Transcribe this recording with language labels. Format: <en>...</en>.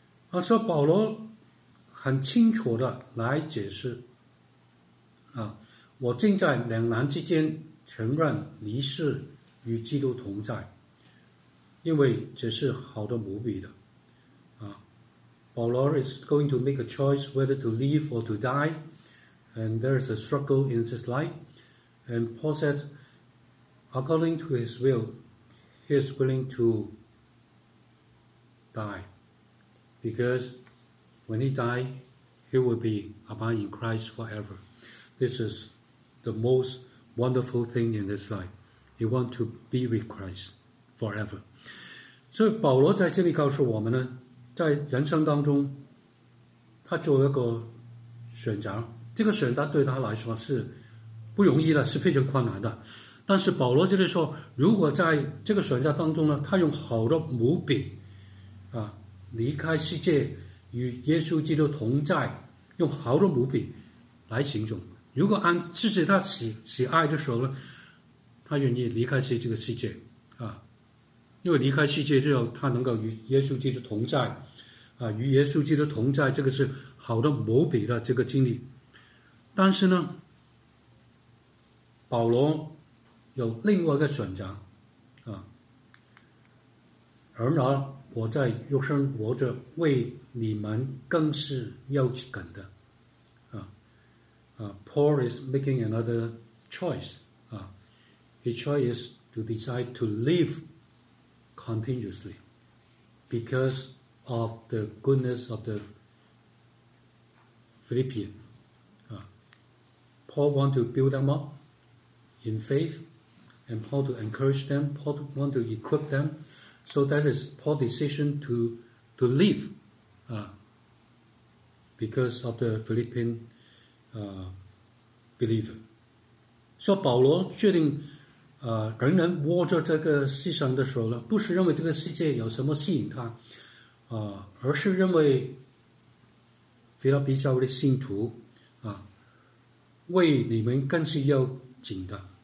<zh>啊，所以保罗很清楚的来解释，啊，我正在两难之间承认离世与基督同在，因为这是好的无比的。</zh> <en>Paul is going to make a choice whether to live or to die, and there is a struggle in his life. And Paul said, according to his will, he is willing to die, because when he dies, he will be abiding in Christ forever. This is the most wonderful thing in this life. He wants to be with Christ forever.</en> <zh>So Paul 在这里告诉我们呢，在人生当中他做了一个选择，这个选择对他来说是不容易的，是非常困难的。但是保罗就是说，如果在这个选择当中呢，他用好的无比啊，离开世界与耶稣基督同在，用好的无比来行动，如果按自己他 喜爱的时候呢，他愿意离开这个世界啊，因为离开世界之后他能够与耶稣基督同在啊，与耶稣基督同在，这个是好的无比的这个经历。但是呢，保罗有另外一个选择啊，而呢，我在肉身活着为你们更是要紧的啊。</zh> <en>Paul is making another choice 啊， his choice is to decide to liveContinuously, because of the goodness of the Philippian. Paul wants to build them up in faith, and Paul to encourage them, Paul wants to equip them. So that is Paul's decision to live because of the Philippian believer.</en> <zh>So, Paul 决定人人活着这个世上的时候呢，不是认为这个世界有什么吸引他而是认为腓立比教会的信徒为你们更是要紧的。</zh>